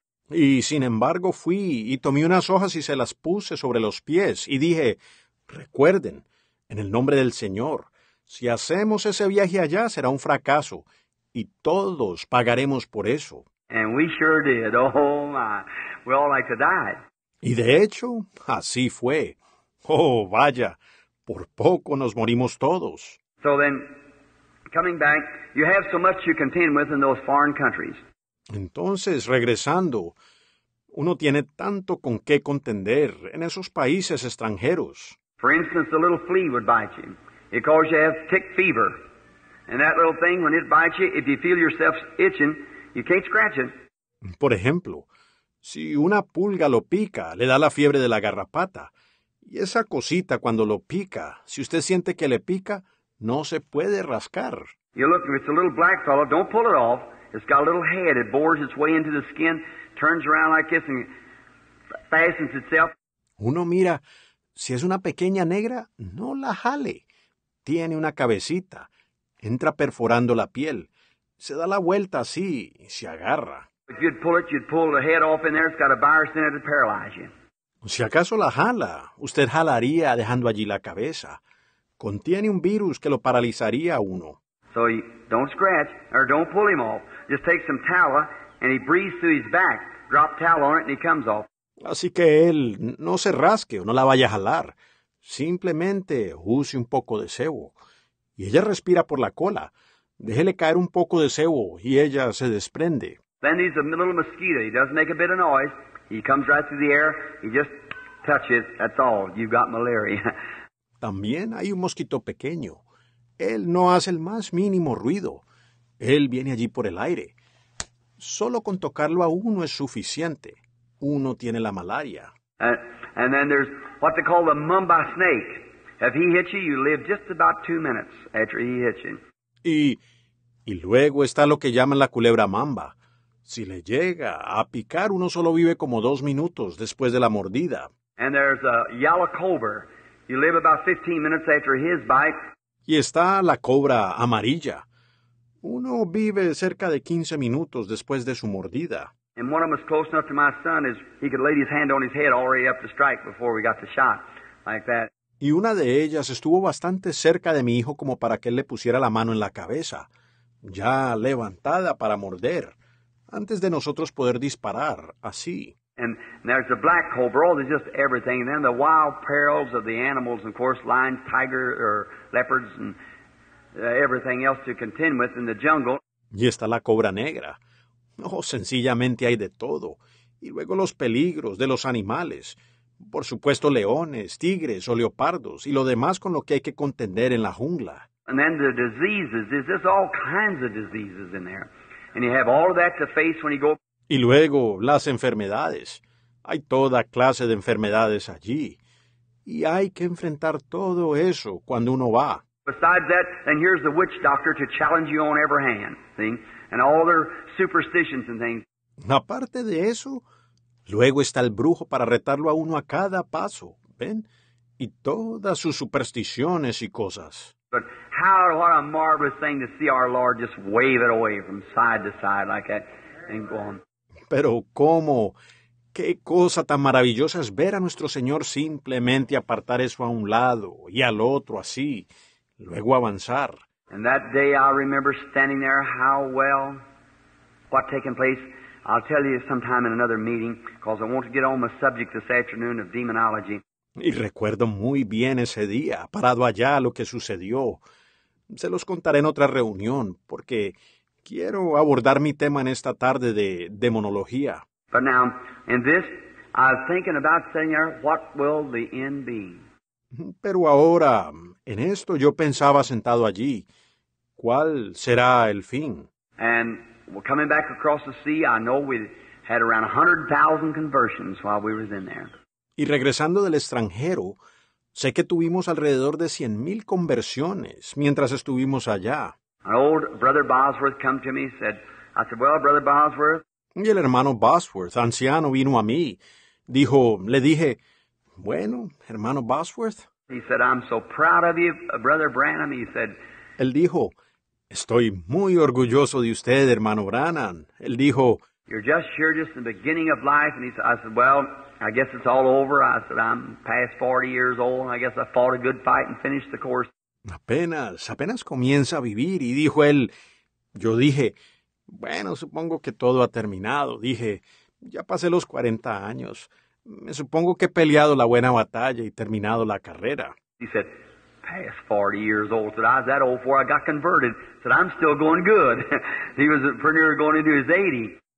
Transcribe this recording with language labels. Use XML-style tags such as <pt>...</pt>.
<es>Y sin embargo fui y tomé unas hojas y se las puse sobre los pies y dije, recuerden, en el nombre del Señor, si hacemos ese viaje allá será un fracaso y todos pagaremos por eso.</es> <en>And we sure did. Oh my. We all like to die.</en> <es>Y de hecho, así fue. Oh, vaya, por poco nos morimos todos.</es> <en>So then, coming back, you have so much to contend with in those foreign countries.</en> <es>Entonces, regresando, uno tiene tanto con qué contender en esos países extranjeros.</es> <en>For instance, the little flea would bite you. It causes you to have tick fever. And that little thing, when it bites you, if you feel yourself itching, you can't scratch it.</en> <es>Por ejemplo, si una pulga lo pica, le da la fiebre de la garrapata. Y esa cosita, cuando lo pica, si usted siente que le pica, no se puede rascar.</es> <en>You look, it's a little black fellow. Don't pull it off. It's got a little head. It bores its way into the skin, turns around like this, and fastens itself.</en> <es>Uno mira, si es una pequeña negra, no la jale. Tiene una cabecita. Entra perforando la piel. Se da la vuelta así y se agarra.</es> <en>If you'd pull it, you'd pull the head off in there. It's got a virus in it to paralyze you.</en> <es>Si acaso la jala, usted jalaría dejando allí la cabeza. Contiene un virus que lo paralizaría a uno.</es> <en>So he don't scratch or don't pull him off. Just take some tallow and he breathes through his back. Drop tallow on it and he comes off.</en> <es>Así que él no se rasque o no la vaya a jalar. Simplemente use un poco de sebo. Y ella respira por la cola. Déjele caer un poco de sebo y ella se desprende.</es> <en>Then he's a little mosquito. He doesn't make a bit of noise. He comes right through the air, he just touches, that's all, you've got malaria.</en> <es>También hay un mosquito pequeño. Él no hace el más mínimo ruido. Él viene allí por el aire. Solo con tocarlo a uno es suficiente. Uno tiene la malaria.</es> <en>And then there's what they call the mamba snake. If he hits you, you live just about 2 minutes after he hits you.</en> <es>Y luego está lo que llaman la culebra mamba. Si le llega a picar, uno solo vive como 2 minutos después de la mordida.</es> <en>And there's a yellow cobra. You live about 15 minutes after his bite.</en> <es>Y está la cobra amarilla. Uno vive cerca de 15 minutos después de su mordida.</es> <en>And one of them is close enough to my son is he could lay his hand on his head already up to strike before we got the shot, like that.</en> <es>Y una de ellas estuvo bastante cerca de mi hijo como para que él le pusiera la mano en la cabeza, ya levantada para morder. Antes de nosotros poder disparar, así.</es> <en>And there's the black cobra, oh, there's just everything. And then the wild perils of the animals, of course, lions, tigers, or leopards, and everything else to contend with in the jungle.</en> <es>Y está la cobra negra. Oh, sencillamente hay de todo. Y luego los peligros de los animales. Por supuesto, leones, tigres o leopardos, y lo demás con lo que hay que contender en la jungla.</es> <en>And then the diseases, there's just all kinds of diseases in there. And you have all of that to face when you go.</en> <es>Y luego, las enfermedades. Hay toda clase de enfermedades allí. Y hay que enfrentar todo eso cuando uno va.</es> <en>Besides that, and here's the witch doctor to challenge you on every hand, see? And all their superstitions and things.</en> <es>Aparte de eso, luego está el brujo para retarlo a uno a cada paso, ¿ven? Y todas sus supersticiones y cosas.</es> <en>But how, what a marvelous thing to see our Lord just wave it away from side to side like that and go on.</en> <es>Pero cómo, qué cosa tan maravillosa es ver a nuestro Señor simplemente apartar eso a un lado y al otro así, luego avanzar.</es> <en>And that day I remember standing there how well, what taken place. I'll tell you sometime in another meeting because I want to get on the subject this afternoon of demonology.</en> <es>Y recuerdo muy bien ese día, parado allá, lo que sucedió. Se los contaré en otra reunión, porque quiero abordar mi tema en esta tarde de demonología.</es> <en>But now, in this, I'm thinking about saying, what will the end be?</en> <es>Pero ahora, en esto, yo pensaba sentado allí, ¿cuál será el fin?</es> <en>And coming back across the sea, I know we had around 100,000 conversions while we was in there.</en> <es>Y regresando del extranjero, sé que tuvimos alrededor de 100,000 conversiones mientras estuvimos allá.</es> <en>An old brother Bosworth came to me and said, I said, well, brother Bosworth.</en> <es>Y el hermano Bosworth, anciano, vino a mí. Dijo, le dije, bueno, hermano Bosworth.</es> <en>He said, I'm so proud of you, brother Branham. He said,</en> <es>él dijo, estoy muy orgulloso de usted, hermano Branham. Él dijo,</es> <en>you're just here, just the beginning of life. And he said, I said, well, I guess it's all over. I said, I'm past 40 years old. I guess I fought a good fight and finished the course.</en> <es>Apenas comienza a vivir. Y dijo él, yo dije, bueno, supongo que todo ha terminado. Dije, ya pasé los 40 años. Me supongo que he peleado la buena batalla y terminado la carrera.</es> <en>He said, past 40 years old. Said, I was that old before I got converted. Said, I'm still going good. He was pretty near going into his 80.</en>